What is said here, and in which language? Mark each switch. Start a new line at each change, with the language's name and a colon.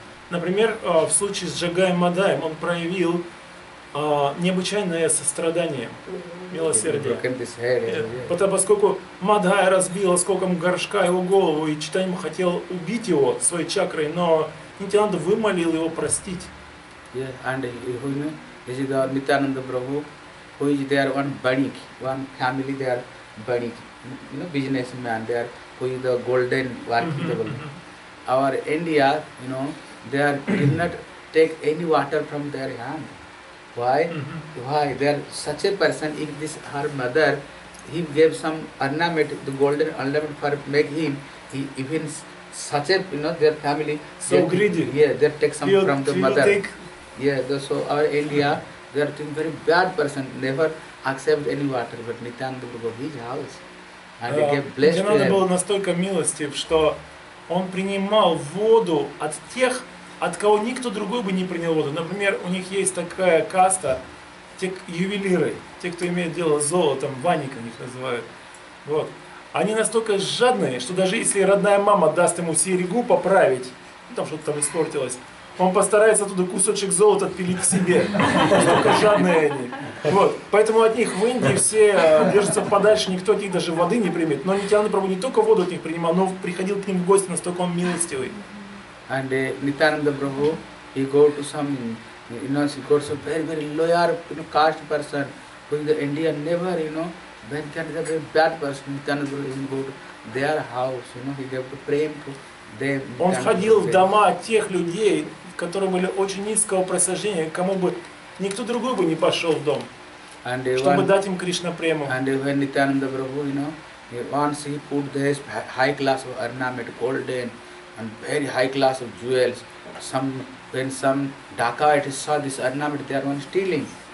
Russian: Например, в случае с Джагай Мадаем он проявил необычайное сострадание, милосердие. Потому, поскольку Мадхая разбила скоком горшка его голову, и Чайтанья хотел убить его своей чакрой, но Нитянанда вымолил его простить.
English: Yeah, and this is the Nityananda Prabhu, who is their one banik, one family their banik, you know, businessman there, who is the golden working devil. Our India, you know, they did not take any water from their hand. Why? Why? They are such a person, if this her mother, he gave some ornament, the golden ornament for make him, he even such a, you know, their family. So greedy. Yeah, they take some from the mother. Take... Yeah, so our India, they are a very bad person, never accept any water, but Nityananda Prabhu, his house. And they gave blessed to him.
Russian: Было настолько милостив, что он принимал воду от тех, от кого никто другой бы не принял воду. Например, у них есть такая каста, те ювелиры, те, кто имеет дело с золотом, ваника их называют. Вот. Они настолько жадные, что даже если родная мама даст ему серьгу поправить, там что-то там испортилось, он постарается оттуда кусочек золота отпилить себе. Только жадные они. Вот. Поэтому от них в Индии все держатся подальше, никто от них даже воды не примет. Но Нитянанда Прабху не только воду от них принимал, но приходил к ним в гости, настолько он милостивый.
English: And Nitananda Prabhu, he go to some, you know, he goes to very, very lower, you know, caste person, who in the India never, you know, when can they be a bad person, Nitananda Prabhu is go to their house, you know, he gave to pray to them.
Russian: Он входил в дома тех людей, которые были очень низкого происхождения, кому бы, никто другой бы не пошел в дом,
English: and
Russian: чтобы one, дать им Кришна прему.
English: And when Nitananda Prabhu, you know, once he put this high class of ornament, golden, and very high class of jewels, some when some dacoits saw this ornament, they are one stealing.